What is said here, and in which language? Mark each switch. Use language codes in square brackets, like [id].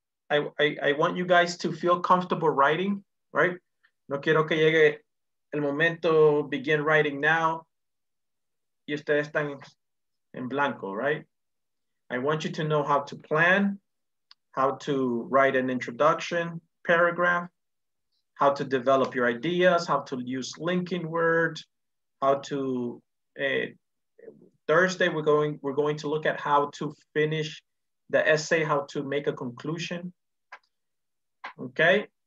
[en] I want you guys to feel comfortable writing, right? [es] No quiero que llegue el momento, [en] begin writing now, [es] y ustedes están en blanco, [en] right? I want you to know how to plan, how to write an introduction paragraph, how to develop your ideas, how to use linking words, how to... Thursday, we're going to look at how to finish the essay, how to make a conclusion. Okay.